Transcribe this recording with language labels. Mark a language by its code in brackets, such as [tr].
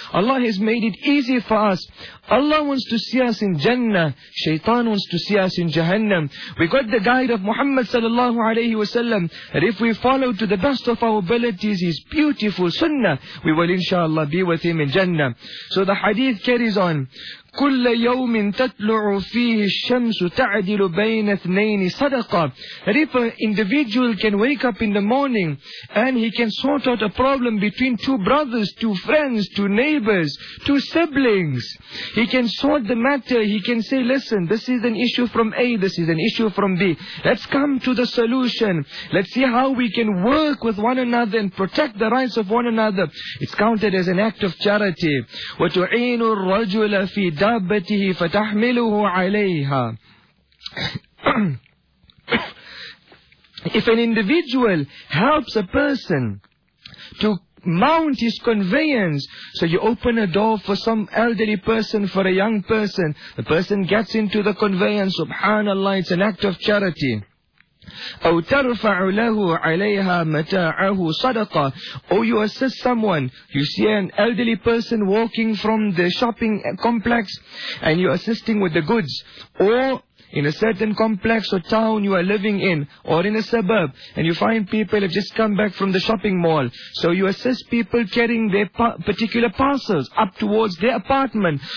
[en] Allah has made it easy for us. Allah wants to see us in Jannah, Shaitan wants to see us in Jahannam. We got the guide of Muhammad sallallahu alayhi wa sallam, that if we follow to the best of our abilities his beautiful sunnah, we will inshallah be with him in Jannah. So the hadith carries on. [ar] كل يوم تطلع فيه الشمس تعدل بين اثنين صدقة. [en] And if an individual can wake up in the morning and he can sort out a problem between two brothers, two friends, two neighbors, two siblings, he can sort the matter, he can say, listen, this is an issue from A, this is an issue from B, let's come to the solution, let's see how we can work with one another and protect the rights of one another, it's counted as an act of charity. [ar] وتعين الرجل في دابته فتحمله عليها. [en] If an individual helps a person to mount his conveyance, so you open a door for some elderly person, for a young person, the person gets into the conveyance, subhanallah, it's an act of charity. [ar] أو ترفع له عليها متاعه صدقة. [en] Or you assist someone. You see an elderly person walking from the shopping complex and you're assisting with the goods. Or in a certain complex or town you are living in, or in a suburb, and you find people have just come back from the shopping mall. So you assist people carrying their particular parcels up towards their apartment.